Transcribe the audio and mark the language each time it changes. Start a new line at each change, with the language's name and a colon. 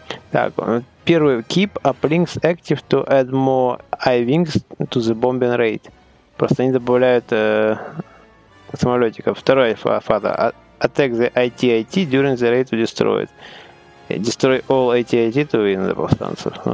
Russian: Так, первый
English: keep uplinks active to add more I-wings to the bombing raid.
Russian: Просто они добавляют самолетиков. Второй фаза.
English: Attack the AT-AT during the raid to destroy it. Destroy all AT-AT to win the
Russian: повстанцев.